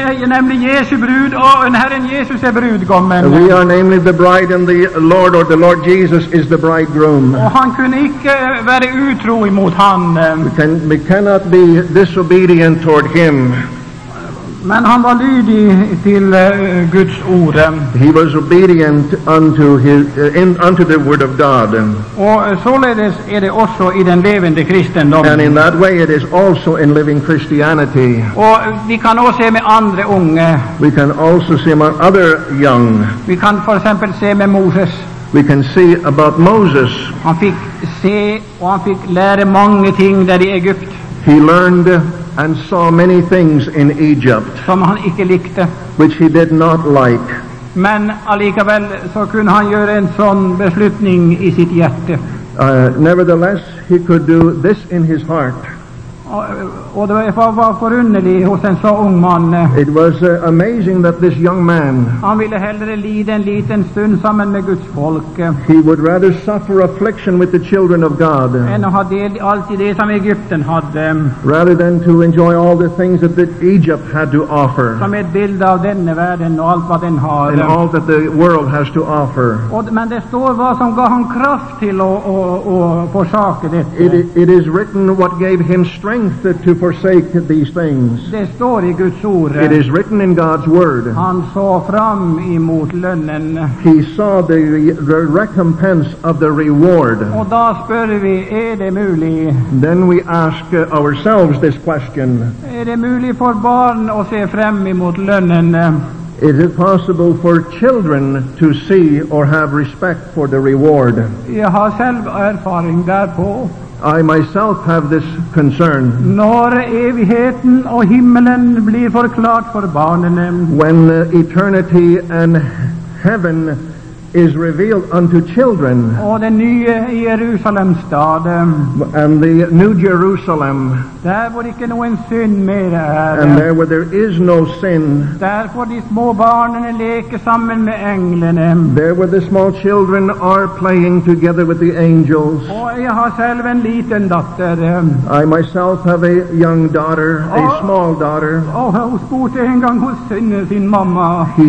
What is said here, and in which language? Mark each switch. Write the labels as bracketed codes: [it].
[sv] Nämligen Jesu brud och en Herren Jesus är brudgum. [en] we are namely the bride and the Lord, or the Lord Jesus is the bridegroom. [sv] Och han kunde inte vara otrolig mot han. [en] We cannot be disobedient toward him. [sv] Men han var lydig till Guds ord. [en] He was obedient unto unto the word of God. [sv] Och således är det också i den levande kristendomen. [en] And in that way it is also in living Christianity. [sv] Och vi kan också se med andra unga. [en] We can also see among other young. [sv] Vi kan för exempel se med Moses. [en] We can see about Moses. [sv] Han fick se och han fick lära många ting där i Egypt. [en] He learned and saw many things in Egypt [sv] som han icke likte, [en] which he did not like. [sv] Men allikevel så kunde han göra en sån beslutning i sitt hjärte. [en] Nevertheless, he could do this in his heart. [sv] Och det var förunderlig hos en så ung man. [en] It was amazing that this young man, [sv] han ville hellre lida en liten stund sammen med Guds folk. [en] He would rather suffer affliction with the children of God [sv] än att ha del allt i det som Egypten hade, [en] rather than to enjoy all the things that Egypt had to offer, [sv] som ett bild av denna världen och allt vad den har, [en] and all that the world has to offer. [sv] Men det står vad som gav han kraft till och försaka det. [en] It is written what gave him strength to forsake these things. [sv] Det står i Guds ord. [en] It is written in God's word. [sv] Han såg fram emot lönen. [en] He saw the recompense of the reward. [sv] Och då spör vi, är det möjligt? [en] Then we ask ourselves this question. [sv] Är det möjligt för barn att se fram emot lönen? [en] Is it possible for children to see or have respect for the reward? [sv] Jag har själv erfaring därpå. [en] I myself have this concern. [sv] När evigheten och himmelen blir förklarat för barnen. [en] When eternity and heaven is revealed unto children. [sv] Och den nya Jerusalem stad. [en] And the new Jerusalem. [sv] Där var icke någon synd mer. [en] And there where there is no sin. [sv] Där får de små barnen leka samman med änglarna. [en] There where the small children are playing together with the angels. [sv] Och jag har själv en liten dotter. [en] I myself have a young daughter, a small daughter. [sv] Och hon spurte en gång hos sin mamma.